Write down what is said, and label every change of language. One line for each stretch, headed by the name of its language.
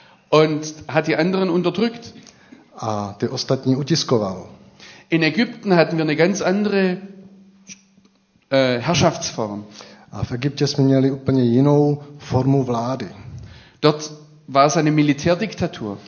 German: Und hat die anderen unterdrückt.
Czech: A ty ostatní utiskoval.
German: In Ägypten hatten wir eine ganz andere Herrschaftsform.
Czech: A v Egyptě jsme měli úplně jinou formu vlády.
German: Dort war es eine Militärdiktatur.